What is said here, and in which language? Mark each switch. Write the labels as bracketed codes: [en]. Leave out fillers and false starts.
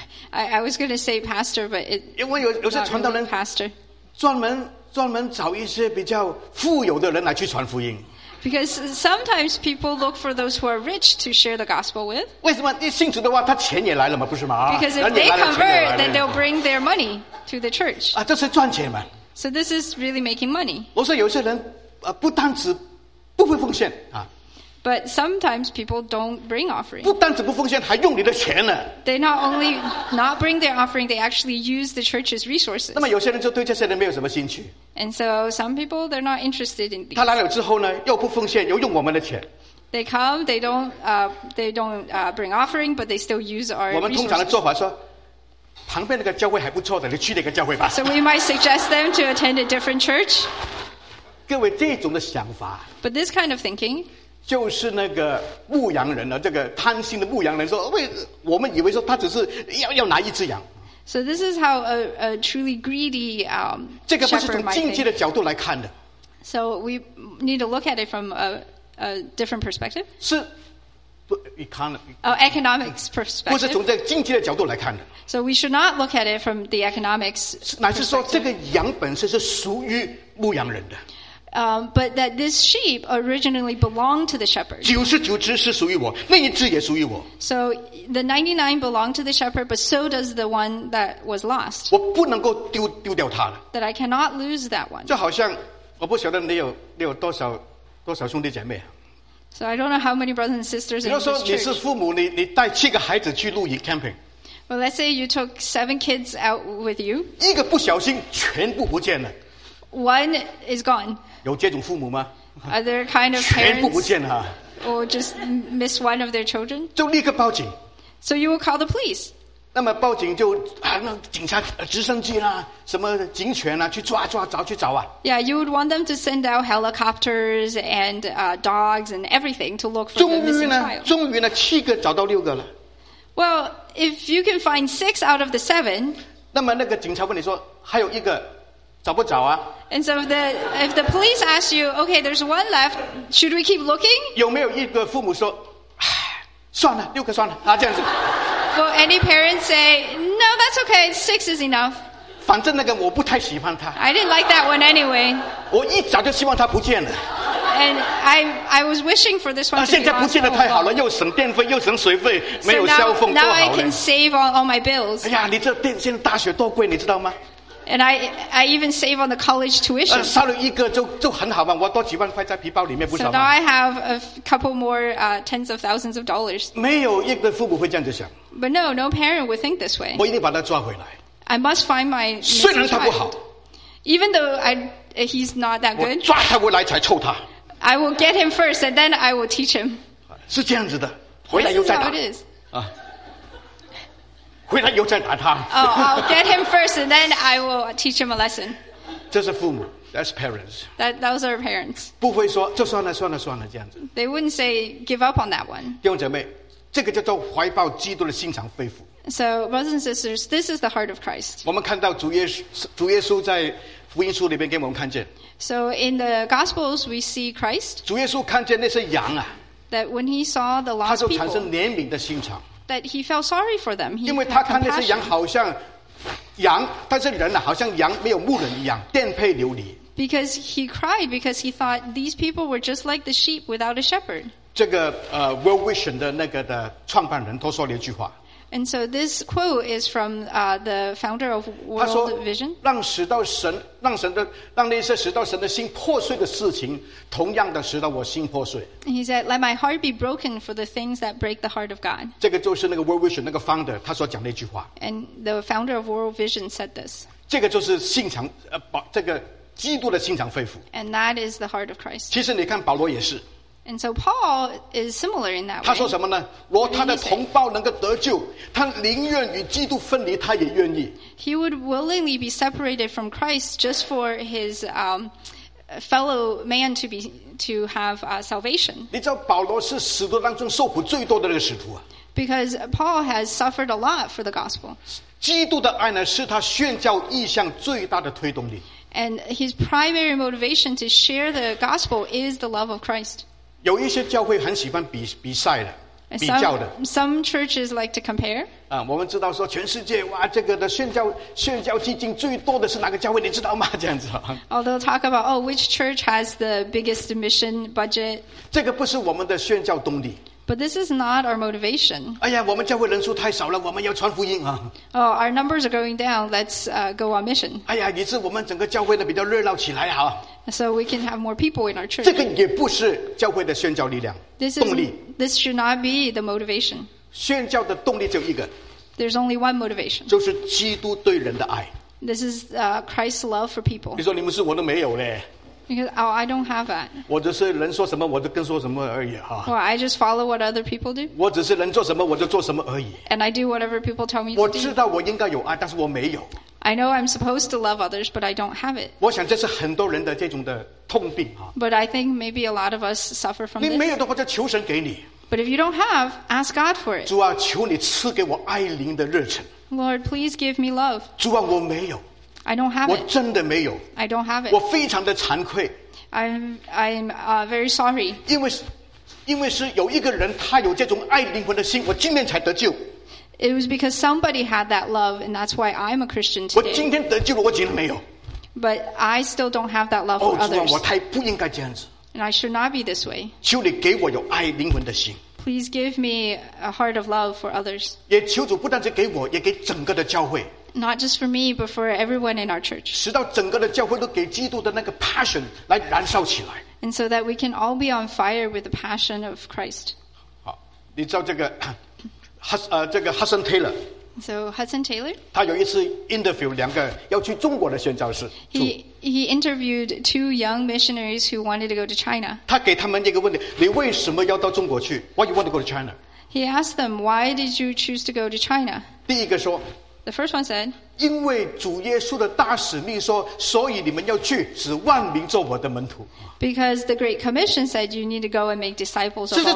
[en] I was going to say pastor, but it. [zh] 因为有些传道人 [en] pastor [zh] 专门找一些比较富有的人来去传福音。 [en] Because sometimes people look for those who are rich to share the gospel with. [zh] 为什么？你信主的话，他钱也来了嘛，不是吗？ [en] Because if they convert, then they'll bring their money to the church. [zh] 啊，这是赚钱嘛。 [en] So this is really making money. [zh] 我说有些人, 不单止不会奉献, [en] but sometimes people don't bring offering. [zh] 不单止不奉献, [en] they not only not bring their offering, they actually use the church's resources. [zh] 那么有些人就对这些人没有什么兴趣。 [en] And so some people, they're not interested in these. [zh] 他来了之后呢, 又不奉献, [en] they come, they don't bring offering, but they still use our resources. [zh] 我们通常的做法说, 旁边那个教会还不错的，你去那个教会吧。 [en] So we might suggest them to attend a different church. [zh] 各位这种的想法, [en] but this kind of thinking, [zh] 就是那个牧羊人了，这个贪心的牧羊人说，我们以为说他只是要拿一只羊。 [en] So this is how a truly greedy shepherd might think. So we need to look at it from a different perspective. [zh] 是。 [en] economics perspective. [zh] 不是从这个经济的角度来看的。 [en] So we should not look at it from the economics. [zh] 乃是说这个羊本身是属于牧羊人的。 [en] But that this sheep originally belonged to the shepherd. [zh] 99只是属于我，那一只也属于我。 [en] So the 99 belonged to the shepherd, but so does the one that was lost. [zh] 我不能够丢掉它了。 [en] That I cannot lose that one. [zh] 就好像我不晓得你有多少兄弟姐妹。 [en] So I don't know how many brothers and sisters in this church. [zh] 比如说你是父母，你带七个孩子去露营 camping. [en] Well, let's say you took 7 kids out with you. [zh] 一个不小心，全部不见了. [en] One is gone. [zh] 有这种父母吗？ [en] Are there kind of parents? [zh] 全部不见了。 [en] Or just miss one of their children? [zh] 就立刻报警. [en] So you will call the police. [zh] 那么报警就啊，那警察、直升机啦、什么警犬啦，去抓抓找去找啊。 [en] Yeah, you would want them to send out helicopters and dogs and everything to look for the missing child. [zh] 终于呢，七个找到六个了。 [en] Well, if you can find 6 out of the 7, [zh] 那么那个警察问你说，还有一个找不找啊？ [en] And so if the police ask you, okay, there's one left, should we keep looking? [zh] 有没有一个父母说，算了，六个算了啊，这样子。 [en] Will any parents say, no, that's okay, 6 is enough? [zh] 反正那个我不太喜欢他。 [en] I didn't like that one anyway. [zh] 我一早就希望他不见了。 [en] And I was wishing for this one to be lost. [zh] 现在不见得太好了, 又省电费, 又省水费, [en] so [zh] 没有消费, [en] now I can save on all my bills. [zh] 哎呀, 你这电现在大学多贵, 你知道吗? [en] And I even save on the college tuition. [zh] 杀了一个就很好嘛, 我多几万块在皮包里面不少嘛。 [en] So now I have a couple more tens of thousands of dollars. [zh] 没有一个父母会这样子想。 [en] But no, no parent would think this way. [zh] 我一定把他抓回来。 [en] I must find my missing child. [zh] 虽然他不好, [en] Even though he's not that good, [zh] 我抓他回来才臭他。 [en] I will get him first, and then I will teach him. [zh] 是这样子的，回来又再打。 [en] This is how it is. [zh] 回来又再打他。 [en] Oh, I'll get him first, and then I will teach him a lesson. [zh] 这是父母。 [en] That's parents. Those are parents. [zh] 不会说就算了算了算了这样子。 [en] They wouldn't say give up on that one. [zh] 弟兄姐妹，这个叫做怀抱基督的心肠肺腑。 [en] So brothers and sisters, this is the heart of Christ. [zh] 我们看到主耶稣在福音书里面给我们看见。 [en] So in the Gospels, we see Christ. [zh] 主耶稣看见那些羊啊。 [en] That when he saw the lost people. [zh] 他就产生怜悯的心肠。 [en] That he felt sorry for them. [zh] 因为他看那些羊好像羊，但是人呢、啊，好像羊没有牧人一样，颠沛流离。 [en] Because he cried because he thought these people were just like the sheep without a shepherd. [zh] 这个World Vision 的那个的创办人都说了一句话。 [en] And so this quote is from the founder of World Vision. [zh] 他说：“让使到神，让神的，让那些使到神的心破碎的事情，同样的使到我心破碎。” [en] He said, "Let my heart be broken for the things that break the heart of God." [zh] 这个就是那个 World Vision 那个 founder 他所讲那句话。 [en] And the founder of World Vision said this. [zh] 这个就是心肠这个。基督的心肠肺腑。 [en] And that is the heart of Christ. [zh] 其实你看保罗也是。 [en] And so Paul is similar in that way. [zh] 他说什么呢？若他的同胞能够得救，他宁愿与基督分离，他也愿意。 [en] He would willingly be separated from Christ just for his fellow man to have salvation. [zh] 你知道保罗是使徒当中受苦最多的那个使徒啊。 [en] Because Paul has suffered a lot for the gospel. [zh] 基督的爱呢，是他宣教意向最大的推动力。 [en] And his primary motivation to share the gospel is the love of Christ. [zh] 有一些教会很喜欢比赛的，比较的。 [en] Some churches like to compare. [zh] 啊，我们知道说全世界哇，这个的宣教基金最多的是哪个教会？你知道吗？这样子。 [en] Although talk about oh, which church has the biggest mission budget? [zh] 这个不是我们的宣教动力。 [en] But this is not our motivation. [zh] 哎呀，我们教会人数太少了，我们要传福音啊。 [en] Oh, our numbers are going down. Let's go on mission. [zh] 哎呀，以致我们整个教会呢比较热闹起来啊。 [en] So we can have more people in our church. [zh] 这个也不是教会的宣教力量，动力。 [en] This should not be the motivation. [zh] 宣教的动力只有一个。 [en] There's only one motivation. [zh] 就是基督对人的爱。 [en] This is Christ's love for people. [zh] 你说你们是我都没有嘞。 [en] Because oh, I don't have that. [zh] 我只是人说什么我就跟说什么而已哈。 [en] Well, I just follow what other people do. [zh] 我只是人做什么我就做什么而已。 [en] And I do whatever people tell me to do. [zh] 我知道我应该有爱，但是我没有。 [en] I know I'm supposed to love others, but I don't have it. [zh] 我想这是很多人的这种的痛病哈。 [en] But I think maybe a lot of us suffer from this. [zh] 你没有的话就求神给你。 [en] But if you don't have, ask God for it. [zh] 主啊，求你赐给我爱灵的热忱。 [en] Lord, please give me love. [zh] 主啊，我没有。 [en] I don't have it. [zh] 我真的没有。 [en] I don't have it. [zh] 我非常的惭愧。 [en] I'm very sorry. [zh] 因为是有一个人他有这种爱灵魂的心，我今天才得救。 [en] It was because somebody had that love, and that's why I'm a Christian today. [zh] 我今天得救了，我今天没有。 [en] But I still don't have that love for others. [zh] 哦，主啊，我太不应该这样子。 [en] And I should not be this way. [zh] 求你给我有爱灵魂的心。 [en] Please give me a heart of love for others. [zh] 也求主不但是给我，也给整个的教会。 [en] Not just for me, but for everyone in our church. [zh] 使到整个的教会都给基督的那个 passion 来燃烧起来。 [en] And so that we can all be on fire with the passion of Christ. [zh] 好，你知道这个Hudson Taylor. [en] So Hudson Taylor. [zh] 他有一次 interview 两个要去中国的宣教士。 [en] He interviewed two young missionaries who wanted to go to China. [zh] 他给他们一个问题：你为什么要到中国去 ？ [en] Why you want to go to China? He asked them, "Why did you choose to go to China?" [zh] 第一个说。 [en] The first one said, [zh] 因为主耶稣的大使命说，所以你们要去，使万民做我的门徒。 [en] Because the Great Commission said you need to go and make disciples of all nations.